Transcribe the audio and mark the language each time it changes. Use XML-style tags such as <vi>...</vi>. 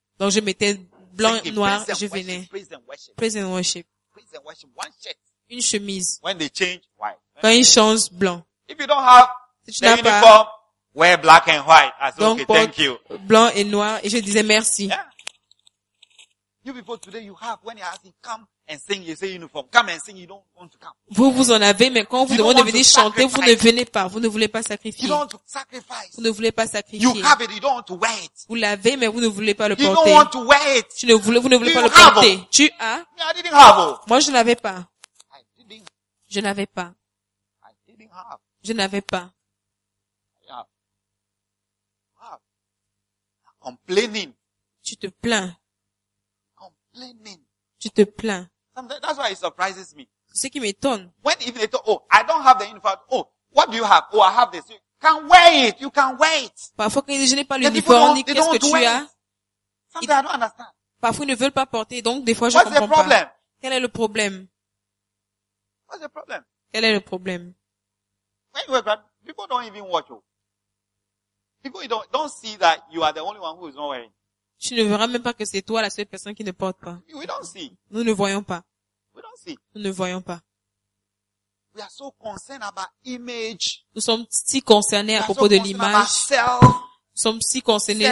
<fr>Donc je mettais blanc, noir, et je venais.</fr> <en>Praise and worship. Praise and worship. One shirt.</en> <fr>Une chemise.</fr> <en>When they change, white.</en> <fr>Quand ils changent, blanc.</fr> <en>If you don't have,</en> <fr>Si tu n'as pas</fr> <en>wear black and white. I said,</en> <fr>donc,</fr> <en>okay, thank you.</en> <fr>Blanc et noir, et je disais merci.</fr> <en>Yeah. You people today, you have when you're asking, come and sing. You say uniform, come and sing. You don't want to come.</en> <fr>Vous vous en avez, mais quand vous demandez de venir chanter, vous ne venez pas. Vous ne voulez pas sacrifier.</fr> <en>You don't want to sacrifice.</en> <fr>Vous ne voulez pas sacrifier.</fr> <en>You have it. You don't want to wear it.</en> <fr>Vous l'avez, mais vous ne voulez pas le porter.</fr> <en>You don't want to wear it.</en> <fr>Tu ne voulais, vous ne voulez pas le porter. Tu as?</fr> <en>I didn't have it.</en> <fr>Moi, je n'avais pas. Je n'avais pas.</fr> <en>I didn't have.</en> <fr>Je n'avais pas.</fr> <en>Complaining.</en> <fr>Tu te plains.</fr> <en>Complaining.</en> <fr>Tu te plains.</fr> <en>That's why it surprises me.</en> <fr>C'est ce qui m'étonne.</fr> <en>When if they talk, oh, I don't have the uniform. Oh, what do you have? Oh, I have this. You can wear it. You can wear it.</en> <fr>Parfois, quand je n'ai pas l'uniforme, ni qu'est-ce que tu as.</fr> <en>Something I don't understand.</en> <fr>Parfois, ils ne veulent pas porter. Donc, des fois, je comprends pas.</fr> <en>What's the problem?</en> <fr>Quel est le problème?</fr> <en>What's the problem?</en> <fr>Quel est le problème?</fr> <en>When you wear, people don't even watch you. People don't see that you are the only one who is not wearing.</en> <fr>Tu ne verras même pas que c'est toi la seule personne qui ne porte pas.</fr> <en>We don't see.</en> <fr>Nous ne voyons pas.</fr> <en>We don't see.</en> <fr>Nous ne voyons pas.</fr> <en>We are so concerned about image.</en> <fr>Nous sommes si concernés à propos de l'image.</fr> <en>Self,</en> <fr>nous sommes si concernés</fr>